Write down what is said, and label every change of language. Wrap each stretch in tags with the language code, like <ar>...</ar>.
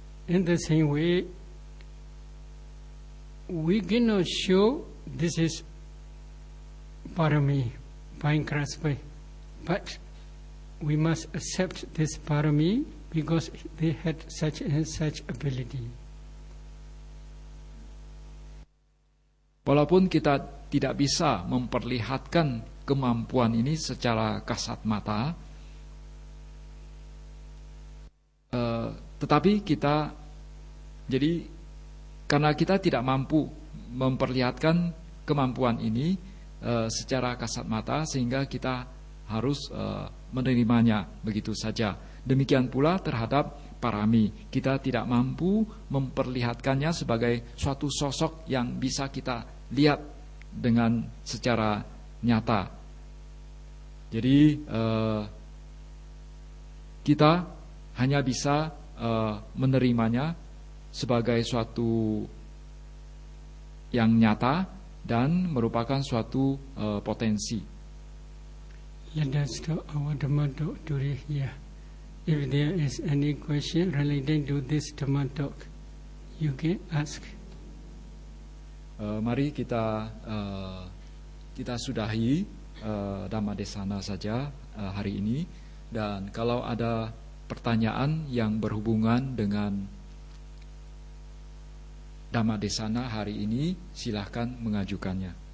<en>In the same way, we cannot show this is parami by Christ's way, but we must accept this parami because they had such and such ability.</en> <id>Walaupun kita tidak bisa memperlihatkan kemampuan ini secara kasat mata, tetapi kita, jadi karena kita tidak mampu memperlihatkan kemampuan ini secara kasat mata, sehingga kita harus menerimanya begitu saja. Demikian pula terhadap parami, kita tidak mampu memperlihatkannya sebagai suatu sosok yang bisa kita lihat dengan secara nyata. Jadi kita hanya bisa menerimanya sebagai suatu yang nyata dan merupakan suatu potensi.</id> <en>Let us stop our dhamma talk during here. If there is any question relating to this dhamma talk, you can ask.</en> <id>Mari kita kita sudahi dhamma desana saja hari ini, dan kalau ada pertanyaan yang berhubungan dengan dhamma desana hari ini, silakan mengajukannya.</id>